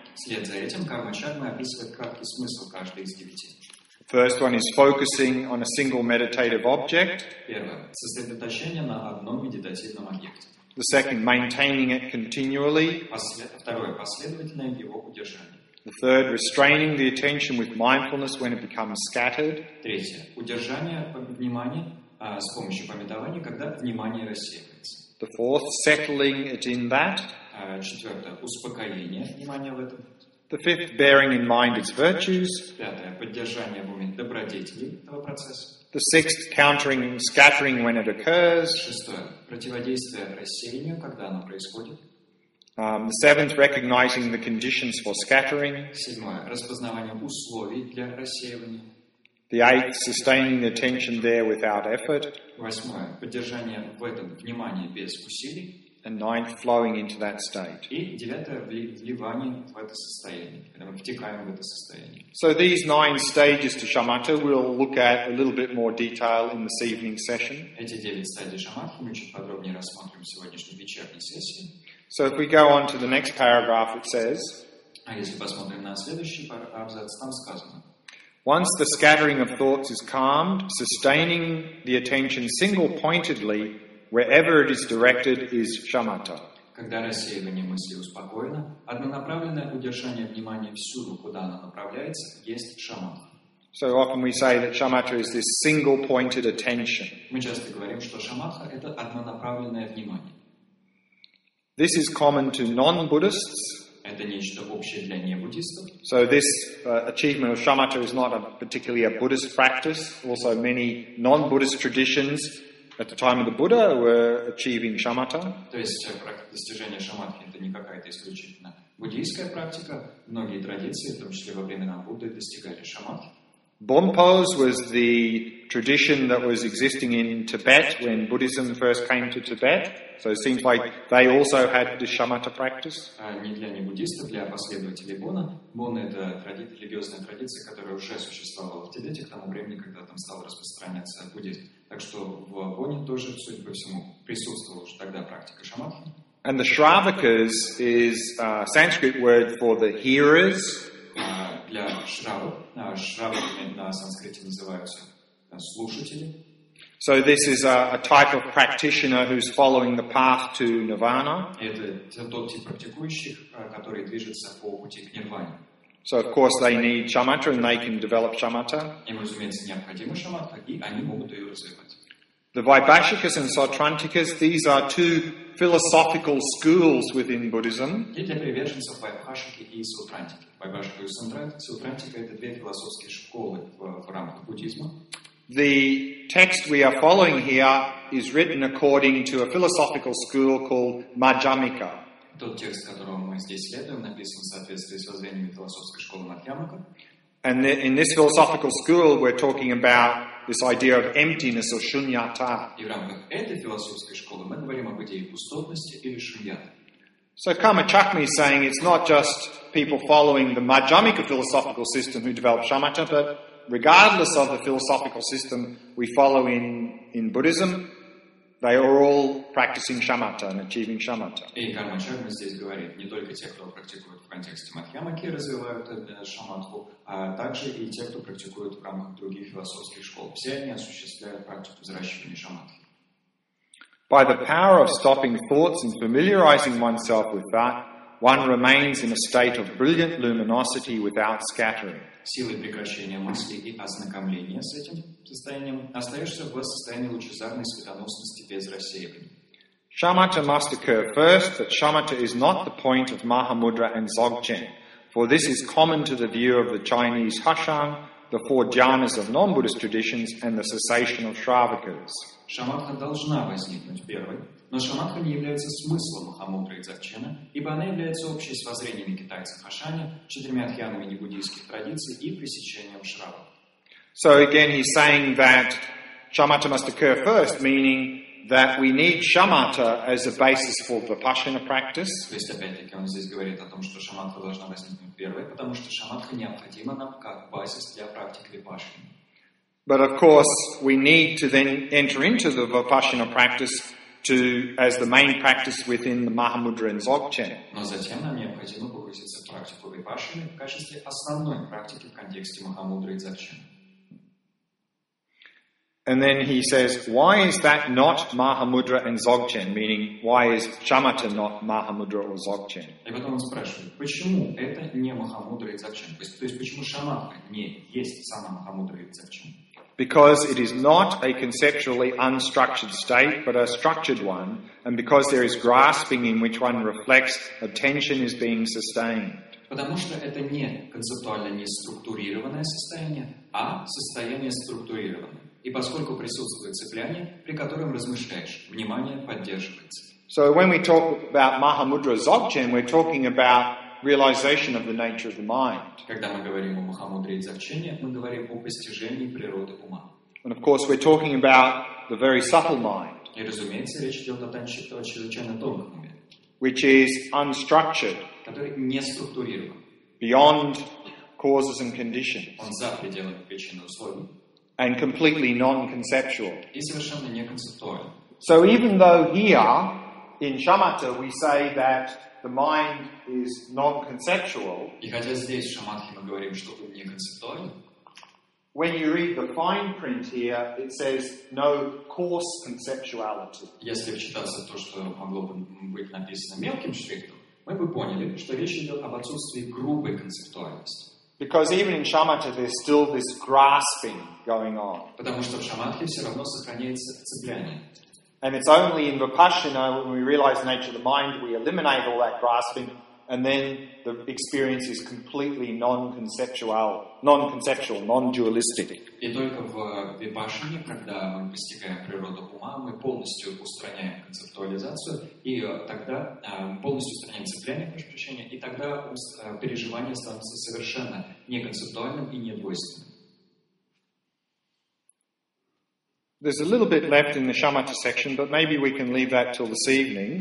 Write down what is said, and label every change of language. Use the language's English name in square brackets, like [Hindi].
[Russian] След за этим кармачарма описывает краткий смысл каждой из девяти. [English] First one is focusing on a single meditative object. [Russian] Первое — сосредоточение на одном медитативном объекте. [English] The second — maintaining it continually. [Russian] Второе — последовательное его удержание. [English] The third — restraining the attention with mindfulness when it becomes scattered. [Russian] Третье — удержание внимания с помощью памятования, когда внимание рассеивается. [English] The fourth, settling it in that. [Russian] Четвертое, успокоение внимания в этом. [English] The fifth, bearing in mind its virtues. [Russian] Пятое, поддержание в уме добродетелей этого процесса. [English] The sixth, countering scattering when it occurs. [Russian] Шестое, противодействие рассеянию, когда оно происходит. [English] The seventh, recognizing the conditions for scattering. [Russian] Седьмое, распознавание условий для рассеивания. [English] The eighth, sustaining the attention there without effort. [Russian] Восьмое, поддержание в этом внимания без усилий. [English] And ninth, flowing into that state. [Russian] И девятое вливание в это состояние, когда мы втекаем в это состояние. [English] So these nine stages to shamatha we'll look at a little bit more detail in this evening session. [Russian] Эти девять стадий шамадхи мы чуть подробнее рассмотрим в сегодняшней вечерней сессии. [English] So if we go on to the next paragraph, it says. [Russian] А если посмотрим на следующий абзац, там сказано. [English] Once the scattering of thoughts is calmed, sustaining the attention single-pointedly wherever it is directed is shamatha. [Russian] Когда рассеивание мысли успокоено, однонаправленное удержание внимания всюду, куда оно направляется, есть шамата. [English] So often we say that shamatha is this single-pointed attention. [Russian] Мы часто говорим, что шамата это однонаправленное внимание. [English] This is common to non-Buddhists. [Russian] Это нечто общее для небуддистов. [English] So this achievement of shamatha is not a particularly a Buddhist practice. Also many non-Buddhist traditions at the time of the Buddha were achieving shamatha. [Russian] То есть достижение шамадхи это не какая-то исключительно буддийская практика. Многие традиции, в том числе во времена Будды, достигали шамадхи. [English] Bompos was the tradition that was existing in Tibet when Buddhism first came to Tibet. So it seems like they also had the shamatha practice. [Russian] Не для небуддистов, для последователей Бона. Бон это религиозная традиция, которая уже существовала в Тибете к тому времени, когда там стал распространяться буддизм. Так что в Боне тоже, судя по всему, присутствовала уже тогда практика шамадхи. [English] And the Shravakas is a Sanskrit word for the hearers. [Russian] Для шравов. Шравами на санскрите называются слушатели. [English] So this is a type of practitioner who's following the path to nirvana. [Russian] Это тот тип практикующих, который движется по пути к нирване. [English] So of course they need shamatha and they can develop shamatha. [Russian] Им, разумеется, необходима шамата, и они могут ее развивать. [English] The Vaibhashikas and Sautrantikas, these are two philosophical schools within Buddhism. [Russian] Эти приверженцы Вайбхашики и Сутрантики. Вайбхашика и Сутрантика — это две философские школы в рамках буддизма. [English] The text we are following here is written according to a philosophical school called Majjhimika. [Russian] Тот текст, которого мы здесь следуем, написан в соответствии с воззрениями философской школы Мадхьямика. [English] And in this philosophical school, we're talking about this idea of emptiness or shunyata. [Russian] И в рамках этой философской школы мы говорим об идее пустотности или шуньята. [English] So Kama Chakmi is saying it's not just people following the Majjhimika philosophical system who develop shamatha, but regardless of the philosophical system we follow in Buddhism, they are all practicing shamatha and achieving shamatha. [Russian] И Карма Чакми здесь говорит, не только те, кто практикует в контексте Мадхьямаки, развивают шамадху, а также и те, кто практикует в рамках других философских школ. Все они осуществляют практику взращивания шамадхи. [English] By the power of stopping thoughts and familiarizing oneself with that, one remains in a state of brilliant luminosity without scattering. [Russian] Силой прекращения мысли и ознакомления с этим состоянием остаешься в состоянии лучезарной светоносности без рассеивания. [English] Shamatha must occur first, but shamatha is not the point of Mahamudra and Dzogchen, for this is common to the view of the Chinese Hushang, the four jhanas of non-Buddhist traditions, and the cessation of Shravakas. [Russian] Шамадха должна возникнуть первой, но шамадха не является смыслом Махамудры и Дзогчена, ибо она является общей с воззрениями китайцев Хашаня, четырьмя дхьянами небуддийских традиций и пресечением шрава. [English] So again he's saying that shamatha must occur first, meaning that we need shamatha as a basis for vipassana practice. [Russian] То есть опять-таки он здесь говорит о том, что шамадха должна возникнуть первой, потому что шамадха необходима нам как базис для практики випассаны. [English] But of course, we need to then enter into the Vipassana practice to as the main practice within the Mahamudra and Dzogchen. [Russian] Но затем нам необходимо погрузиться в практику Випассаны в качестве основной практики в контексте Махамудры и Дзогчена. [English] And then he says, why is that not Mahamudra and Dzogchen? Meaning, why is shamatha not Mahamudra or Dzogchen? [Russian] И потом он спрашивает, почему это не Махамудра и Дзогчен? То есть почему шамадха не есть сама Махамудра и Дзогчен? [English] Because it is not a conceptually unstructured state, but a structured one, and because there is grasping in which one reflects, attention is being sustained. [Russian] Потому что это не концептуально не структурированное состояние, а состояние структурированное. И поскольку присутствует цепляние, при котором размышляешь, внимание поддерживается. [English] So when we talk about Mahamudra Dzogchen, we're talking about realization of the nature of the mind. [Russian] Когда мы говорим о Махамудре и Дзогчене, мы говорим о постижении природы ума. [English] And of course, we're talking about the very subtle mind. [Russian] И, разумеется, речь идет о чрезвычайно тонком уме, [English] which is unstructured, [Russian] который не структурирован, [English] beyond causes and conditions, [Russian] он за пределами причин и условий, [English] and completely non-conceptual. [Russian] И совершенно не концептуален. [English] So even though here in Shamatha we say that the mind is non-conceptual, [Russian] и хотя здесь в Шамадхе мы говорим, что ум не концептуален, [English] when you read the fine print here, it says no coarse conceptuality. [Russian] Если вчитаться то, что могло бы быть написано мелким шрифтом, мы бы поняли, что речь идет об отсутствии грубой концептуальности. [English] Because even in Shamatha there's still this grasping going on. [Russian] Потому что в Шамадхе все равно сохраняется цепляние. [English] And it's only in Vipassana, when we realize the nature of the mind, we eliminate all that grasping, and then the experience is completely non-conceptual, non-dualistic. [Russian] И только в Випассане, когда мы постигаем природу ума, мы полностью устраняем концептуализацию, и тогда полностью устраняем цепляние, прошу прощения, и тогда переживание становится совершенно неконцептуальным и недвойственным. [English] There's a little bit left in the Shamatha section, but maybe we can leave that till this evening.